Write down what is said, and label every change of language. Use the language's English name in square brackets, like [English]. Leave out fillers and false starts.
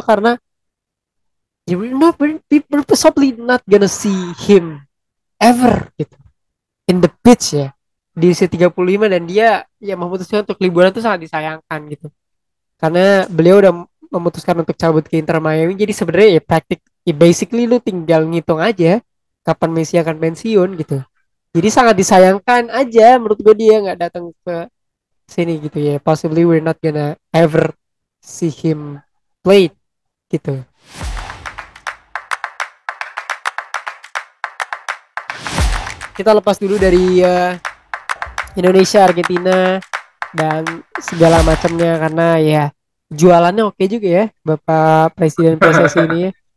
[Indonesian] Karena [English] you will not, people possibly not gonna see him ever [Indonesian] gitu [English] in the pitch [Indonesian] ya di usia 35 dan dia ya memutuskan untuk liburan itu sangat disayangkan gitu karena beliau udah memutuskan untuk cabut ke Inter Miami. Jadi sebenarnya ya praktik ya basically lu tinggal ngitung aja kapan Messi akan pensiun gitu. Jadi sangat disayangkan aja menurut gue dia nggak datang ke sini gitu ya. [English] Possibly we're not gonna ever see him play gitu. [Indonesian] Kita lepas dulu dari Indonesia, Argentina dan segala macamnya karena ya jualannya oke juga ya Bapak Presiden PSSI ini.